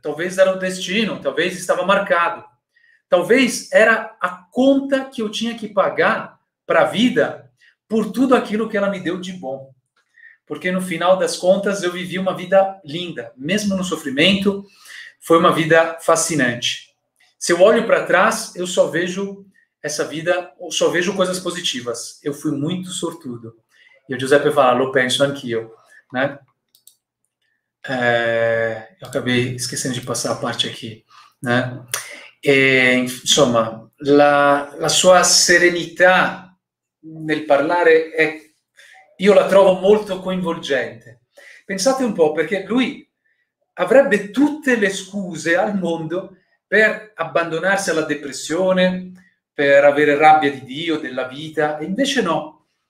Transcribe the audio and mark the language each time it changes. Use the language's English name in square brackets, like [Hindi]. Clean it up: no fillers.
[Portuguese] Talvez era o destino, talvez estava marcado. Talvez era a conta que eu tinha que pagar para a vida por tudo aquilo que ela me deu de bom. Porque no final das contas eu vivi uma vida linda. Mesmo no sofrimento, foi uma vida fascinante. Se eu olho para trás, eu só vejo essa vida, eu só vejo coisas positivas. Eu fui muito sortudo. E o Giuseppe fala, lo penso anch'io. Né? Eu acabei esquecendo de passar a parte aqui. Né? [Italian] E, insomma, la sua serenità nel parlare, io la trovo molto coinvolgente. Pensate un po', perché lui avrebbe tutte le scuse al mondo per abbandonarsi alla depressione, per avere rabbia di Dio, della vita, e invece no.